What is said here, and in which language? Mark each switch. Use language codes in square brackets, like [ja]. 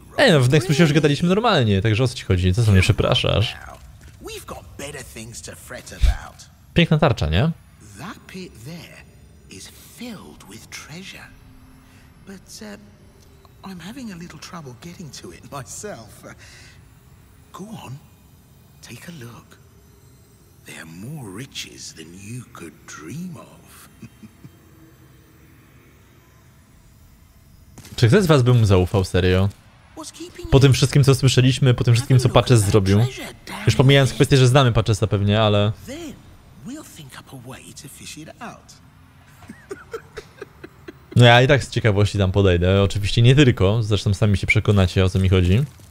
[pl] No w Nexusie już gadaliśmy normalnie, także o co ci chodzi? Co za mnie przepraszasz? [en] We've got better things to fret about. [pl] Piękna tarcza, nie? [en] That pit there is filled with treasure. But I'm having a little trouble getting to it myself. Go on, take a look. There are more riches than you could dream of. [pl] Czy ktoś z was by mu zaufał, serio? Po tym wszystkim, co słyszeliśmy, po tym wszystkim, co Patches zrobił. Już pomijając kwestię, że znamy Patchesa pewnie, ale... [en] think up a way to fish it out. [pl] No ja i tak z ciekawości tam podejdę, oczywiście nie tylko, zresztą sami się przekonacie, o co mi chodzi.